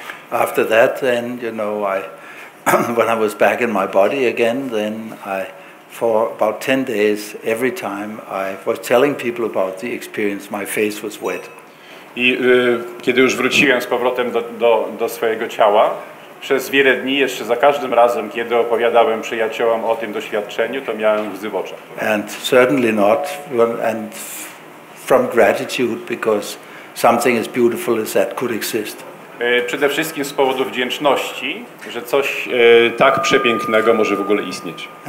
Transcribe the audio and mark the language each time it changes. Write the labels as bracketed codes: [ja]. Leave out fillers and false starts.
[en] After that, then, you know, when I was back in my body again, then I for about 10 days every time I was telling people about the experience, my face was wet. [pl] I kiedy już wróciłem z powrotem do swojego ciała, przez wiele dni jeszcze za każdym razem, kiedy opowiadałem przyjaciołom o tym doświadczeniu, to miałem łzy w oczach. [en] And certainly not and from gratitude, because something as beautiful as that could exist. [pl] Przede wszystkim z powodu wdzięczności, że coś tak przepięknego może w ogóle istnieć.